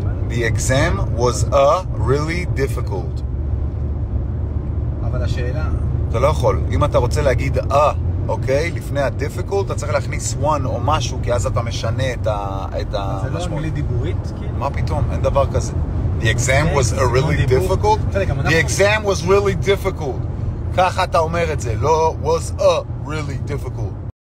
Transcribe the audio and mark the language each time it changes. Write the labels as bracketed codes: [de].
[en] The exam was a really difficult. [he] אבל השאלה... אתה לא יכול. אם אתה רוצה להגיד a, אוקיי? לפני ה-difficult, אתה צריך להכניס one או משהו, כי אז אתה משנה את המשמעות. זה לא אנגלית דיבורית? מה פתאום? אין דבר כזה. [en] The exam was a really difficult. The exam was really difficult. [he] ככה אתה אומר את זה. לא, [en] was a really difficult.